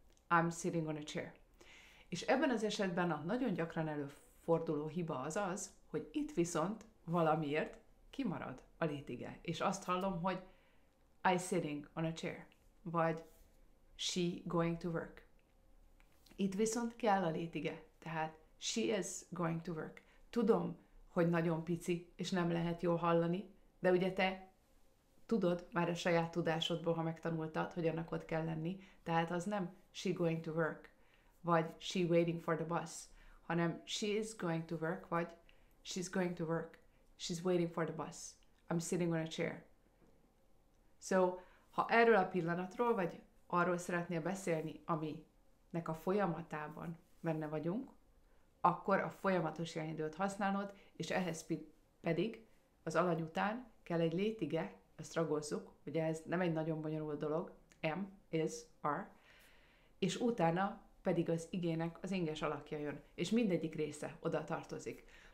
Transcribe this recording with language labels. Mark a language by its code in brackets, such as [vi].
[en] I'm sitting on a chair. [hu] És ebben az esetben a nagyon gyakran előforduló hiba az, hogy itt viszont valamiért kimarad a létige. És azt hallom, hogy [en] I sitting on a chair. [hu] Vagy [en] she going to work. [hu] Itt viszont kell a létige. [en] Tehát she is going to work. [hu] Tudom, hogy nagyon pici, és nem lehet jól hallani, de ugye te tudod már a saját tudásodból, ha megtanultad, hogy annak ott kell lenni. Tehát az nem [en] she going to work, [hu] vagy [en] she waiting for the bus, [hu] hanem [en] she is going to work, [hu] vagy [en] she's going to work, she's waiting for the bus, I'm sitting on a chair. [hu] So, ha erről a pillanatról, vagy arról szeretnél beszélni, aminek a folyamatában benne vagyunk, akkor a folyamatos jelenidőt használod, és ehhez pedig az alany után kell egy létige, ezt ragozzuk, ugye ez nem egy nagyon bonyolult dolog, am, is, are, és utána pedig az igének az inges alakja jön, és mindegyik része oda tartozik.